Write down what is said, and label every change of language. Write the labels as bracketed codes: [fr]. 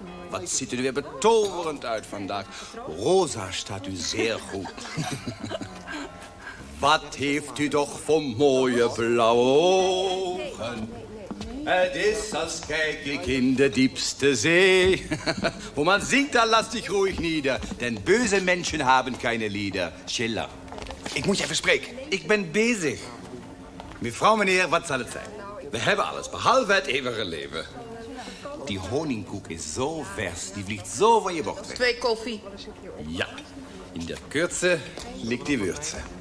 [nl] Wat ziet u er weer betoverend uit vandaag. Rosa staat u zeer goed. Wat heeft u toch voor mooie blauwe ogen. Het is als kijk ik in de diepste zee. [de] Wo man singt, da lass dich ruhig nieder. Denn böse Menschen haben keine Lieder. Schiller. [nl] Ik moet je even spreken. Ik ben bezig. Mevrouw, meneer, wat zal het zijn? We hebben alles, behalve het eeuwige leven. Die honingkoek is zo vers, die vliegt zo van je bocht weg. Twee koffie. Ja, in de [de] kürze ligt die würze.